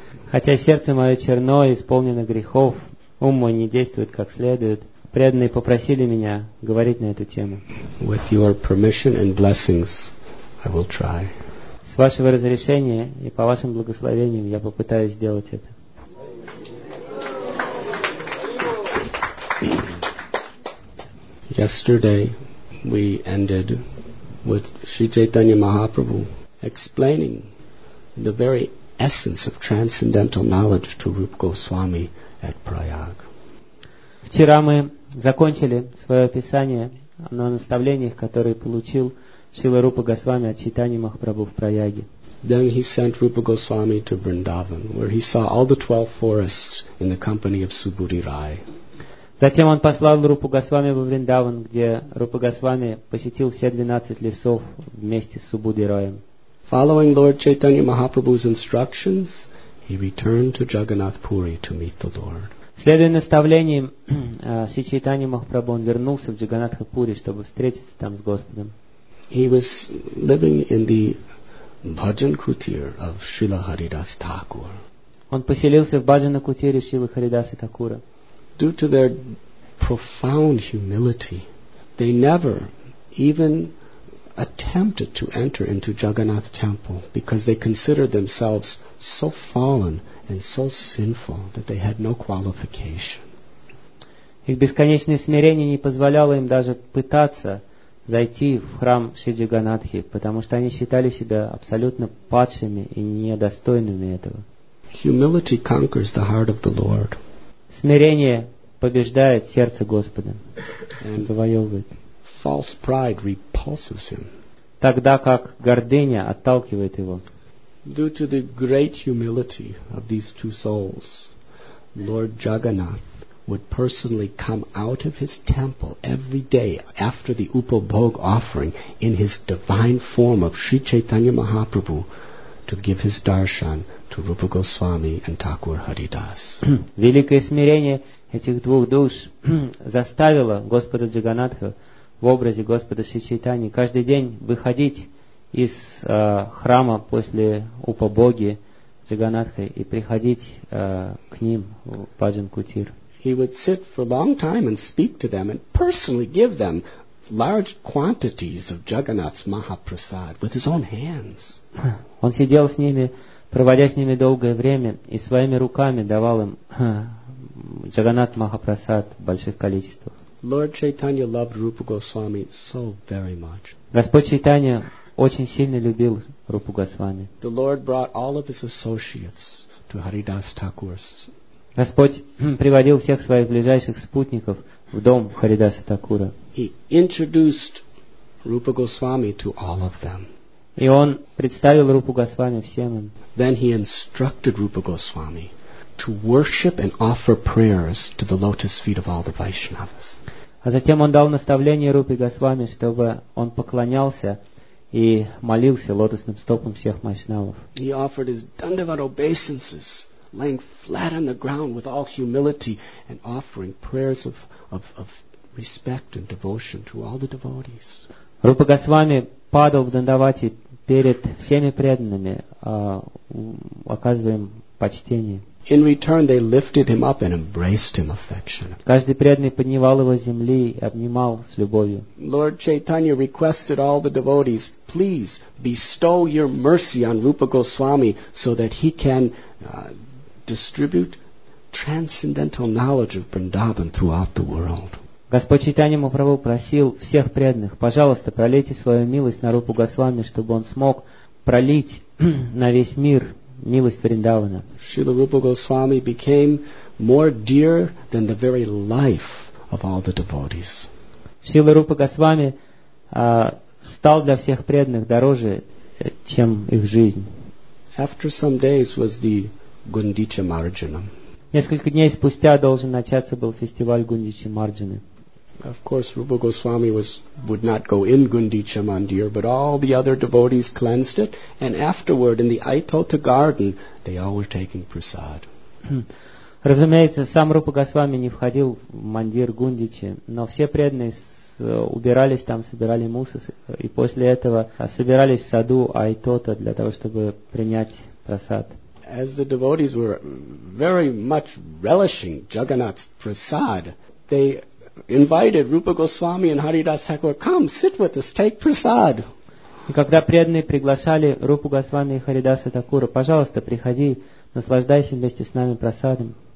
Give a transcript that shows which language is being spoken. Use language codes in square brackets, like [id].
[ru] Хотя сердце мое черное, исполнено грехов, ум мой не действует как следует, преданные попросили меня говорить на эту тему. [en] With your permission and blessings, I will try. [ru] С вашего разрешения и по вашим благословениям я попытаюсь сделать это. [en] Yesterday we ended with Sri Chaitanya Mahaprabhu explaining the very essence of transcendental knowledge to Rupa Goswami at Prayag. [ru] Вчера мы закончили свое описание на наставлениях, которые получил Шрила Рупа Госвами от Чайтаньи Махапрабху в Праяге. [en] Then he sent Rupa Goswami to Vrindavan, where he saw all the 12 forests in the company of Subhuti Rai. [ru] Затем он послал Рупу Госвами во Вриндаван, где Рупа Госвами посетил все 12 лесов вместе с Субхути Раем. [en] Following Lord Chaitanya Mahaprabhu's instructions, he returned to Jagannath Puri to meet the Lord. [ru] Следуя наставлениям Шри Чайтаньи Махапрабху, он вернулся в Джаганнатха Пури, чтобы встретиться там с Господом. [en] He was living in the bhajan kutir of Srila Haridas Thakur. [ru] Он поселился в бхаджана кутире Шрилы Харидаса Такура. [en] Due to their profound humility, they never even attempted to enter into Jagannath temple because they considered themselves so fallen and so sinful that they had no qualification. [ru] Их бесконечное смирение не позволяло им даже пытаться зайти в храм Шри Джаганнатхи, потому что они считали себя абсолютно падшими и недостойными этого. [en] Humility conquers the heart of the Lord. [ru] Смирение побеждает сердце Господа, завоевывает. [en] False pride repulses him. [ru] Тогда как гордыня отталкивает его. [en] Due to the great humility of these two souls, Lord Jagannath would personally come out of his temple every day after the Upabhog offering in his divine form of Sri Chaitanya Mahaprabhu to give his darshan to Rupa Goswami and Thakur Haridas. [ru] Великое смирение этих двух душ заставило Господа Джаганнатха в образе Господа Шри Чайтани каждый день выходить из храма после Упабоги Джаганнатха и приходить к ним в Баджан Кутир. [en] He would sit for a long time and speak to them and personally give them large quantities of Jagannath's Mahaprasad with his own hands. [ru] Он сидел с ними, проводя с ними долгое время, и своими руками давал им Джаганнат Махапрасад в больших количествах. [en] Lord Chaitanya loved Rupa Goswami so very much. [ru] Господь Чайтанья очень сильно любил Рупу Госвами. [en] The Lord brought all of his associates to Haridas Thakur's. [ru] Господь приводил всех своих ближайших спутников в дом Харидаса Такура. [en] He introduced Rupa Goswami to all of them. [ru] И он представил Рупу Госвами всем им. [en] Then he instructed Rupa Goswami to worship and offer prayers to the lotus feet of all the Vaishnavas. [ru] А затем он дал наставление Рупе Госвами, чтобы он поклонялся и молился лотосным стопам всех вайшнавов. [en] He offered his dandavat obeisances, laying flat on the ground with all humility and offering prayers of respect and devotion to all the devotees. [ru] Рупа Госвами падал в дандавате перед всеми преданными, оказывая им почтение. [en] In return, they lifted him up and embraced him affectionately. [ru] Каждый преданный поднимал его с земли и обнимал с любовью. [en] Lord Chaitanya requested all the devotees, please bestow your mercy on Rupa Goswami so that he can distribute transcendental knowledge of Vrindavan throughout the world. [ru] Господь Чайтанья Махапрабху просил всех преданных, пожалуйста, пролейте свою милость на Рупу Госвами, чтобы он смог пролить на весь мир милость Вриндавана. [en] Шрила Рупа Госвами became more dear than the very life of all the devotees. [ru] Шрила Рупа Госвами стал для всех преданных дороже, чем их жизнь. [en] After some days was the Гундича Марджанам. [ru] Несколько дней спустя должен начаться был фестиваль Гундича Марджаны. [en] Of course, Rupa Goswami would not go in Gundicha Mandir, but all the other devotees cleansed it, and afterward, in the Aitota garden, they all were taking prasad. [ru] Разумеется, сам Рупа Госвами не входил в мандир Гундичи, но все преданные убирались там, собирали мусор, и после этого собирались в саду Айтота для того, чтобы принять прасад. [en] As the devotees were very much relishing Jagannath's prasad, they invited Rupa Goswami and Haridas Thakur, come, sit with us, take prasad. [ru] И когда преданные приглашали Рупу Госвами и Харидаса Такура, пожалуйста, приходи, наслаждайся вместе с нами прасадом.